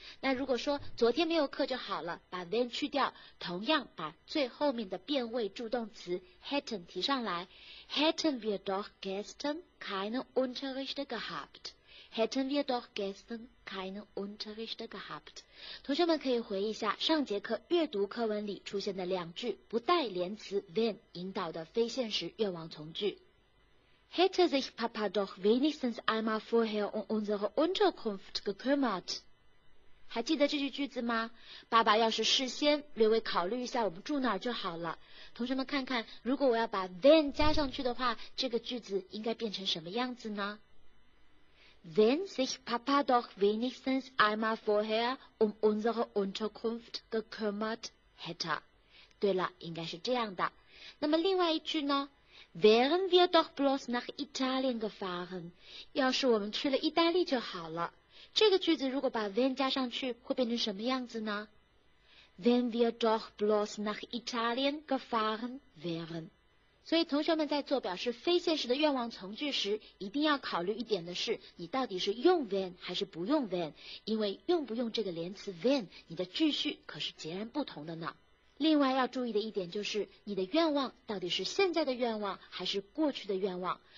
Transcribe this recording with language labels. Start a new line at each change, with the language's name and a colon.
Chinese: 那如果说昨天没有课就好了，把 wenn 去掉，同样把最后面的变位助动词 hätten 提上来，
German: hätten wir doch gestern keinen Unterricht gehabtHätten wir doch gestern keinen Unterricht gehabt.
Chinese: 同学们可以回忆一下上节课阅读课文里出现的两句不带连词 wenn 引导的非现实愿望从句。
German: Hätte sich Papa doch wenigstens einmal vorher um unsere Unterkunft gekümmert.
Chinese: 还记得这句句子吗？爸爸要是事先略微考虑一下我们住哪儿就好了。同学们看看，如果我要把 wenn 加上去的话，这个句子应该变成什么样子呢？
German: Wenn sich Papa doch wenigstens einmal vorher um unsere Unterkunft gekümmert hätte.
Chinese: 对了，应该是这样的。那么另外一句呢？
German: Wären wir doch bloß nach Italien gefahren.
Chinese: 要是我们去了意大利就好了。这个句子如果把 wenn 加上去，会变成什么样子呢？
German: Wenn wir doch bloß nach Italien gefahren wären.
Chinese: 所以同学们在做表示非现实的愿望从句时，一定要考虑一点的是，你到底是用 wenn 还是不用 wenn， 因为用不用这个连词 wenn， 你的句序可是截然不同的呢。另外要注意的一点就是，你的愿望到底是现在的愿望还是过去的愿望。